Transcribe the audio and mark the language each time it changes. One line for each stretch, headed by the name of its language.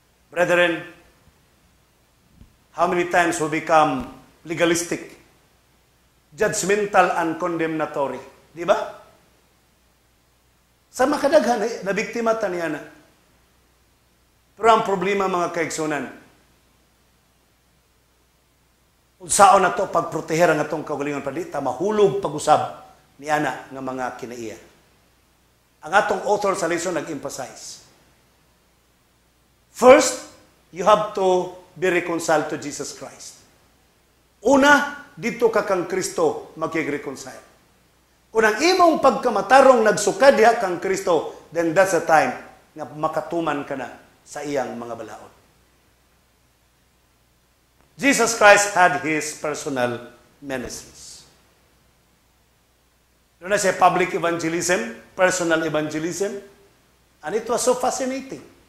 English: Brethren, how many times we become legalistic, judgmental and condemnatory, di ba?
Cebuano: Sa makadaghan, nabiktima ta niya na. Pero ang problema mga kaigsoonan, unsaon na to pagproteher ang atong kaugalingon pa dita, mahulog pag-usab ni ana ng mga kinaiya. Ang atong author sa lesson nag-emphasize.
English: First, you have to be reconciled to Jesus Christ.
Cebuano: Una, dito ka kang Kristo mag-reconcile. Kung ang imong pagkamatarong nagsuka diha kang Kristo,
English: then that's the time
Cebuano: na makatuman ka na sa iyang mga balaod.
English: Jesus Christ had His personal ministries.
Cebuano: Doon na siya
English: public evangelism, personal evangelism, and it was so fascinating.